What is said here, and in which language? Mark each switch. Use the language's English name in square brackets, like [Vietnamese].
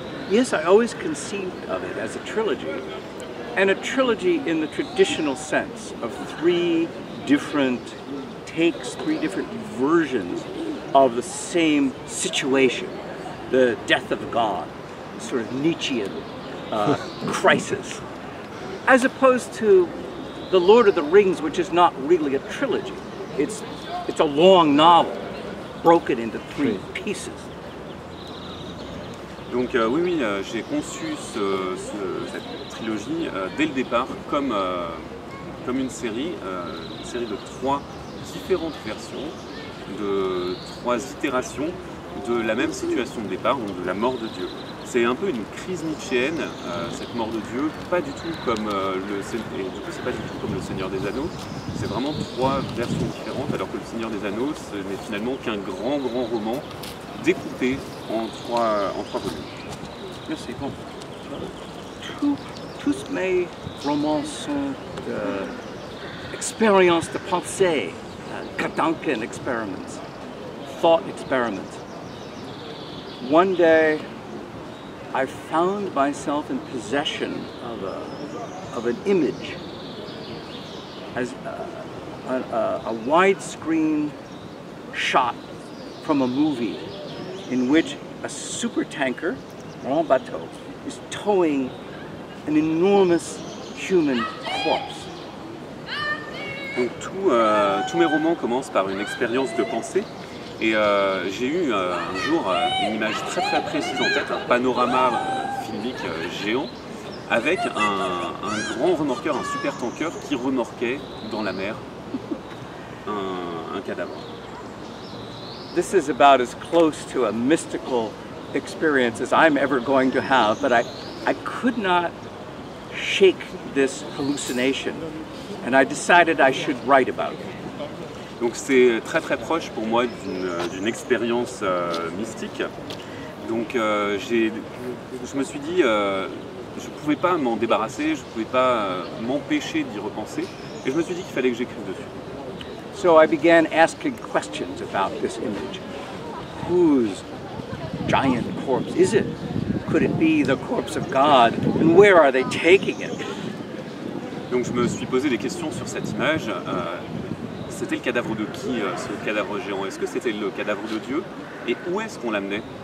[English] Yes, I always conceived of it as a trilogy. And a trilogy in the traditional sense of three different takes, three different versions of the same situation, the death of God, sort of Nietzschean crisis, as opposed to The Lord of the Rings, which is not really a trilogy. It's a long novel broken into three pieces. [French] Donc oui, j'ai conçu cette trilogie dès le départ comme une série de trois différentes versions, de trois itérations de la même situation de départ, donc de la mort de Dieu. C'est un peu une crise nietzschéenne, cette mort de Dieu, pas du tout comme le Seigneur des Anneaux, c'est vraiment trois versions différentes, alors que le Seigneur des Anneaux, ce n'est finalement qu'un grand roman découpé en trois volumes. Merci. Bon. Tous mes romans sont expériences de pensée, Gedanken experiments, [English] thought experiments. One day, I found myself in possession of an image, as a widescreen shot from a movie, in which a supertanker, [French] grand bateau, [English] is towing an enormous human corpse. [French] Donc tous mes romans commencent par une expérience de pensée. Et j'ai eu un jour une image très très précise en tête, un panorama filmique géant, avec un grand remorqueur, un super tanker qui remorquait dans la mer un cadavre. [English] This is about as close to a mystical experience as I'm ever going to have, but I could not shake this hallucination, and I decided I should write about it. [French] Donc c'est très très proche pour moi d'une expérience mystique. Donc je me suis dit je pouvais pas m'en débarrasser, je pouvais pas m'empêcher d'y repenser, et je me suis dit qu'il fallait que j'écrive dessus. [English] So I began asking questions about this image. Whose giant corpse is it? could it be the corpse of God, and where are they taking it? [French] Donc je me suis posé des questions sur cette image. C'était le cadavre de qui, ce cadavre géant? Est-ce que c'était le cadavre de Dieu? Et où est-ce qu'on l'amenait?